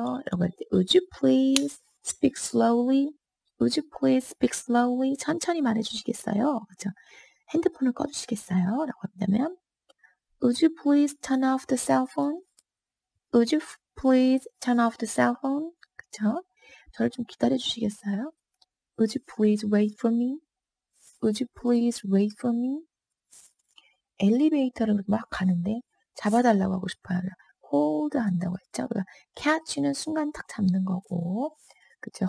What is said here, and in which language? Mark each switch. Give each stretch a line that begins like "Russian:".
Korean: 라고 할 때
English: Would you please speak slowly? Would you please speak slowly?
Korean: 천천히 말해주시겠어요? 그쵸? 핸드폰을 꺼주시겠어요? 라고 한다면
English: Would you please turn off the cell phone? Would you please turn off the cell phone?
Korean: 그쵸? 저를 좀 기다려주시겠어요?
English: Would you please wait for me? Would you please wait for me?
Korean: 엘리베이터를 막 가는데 잡아달라고 하고 싶어요. Hold 한다고 했죠? 그러니까 catch는 순간 딱 잡는 거고 그쵸?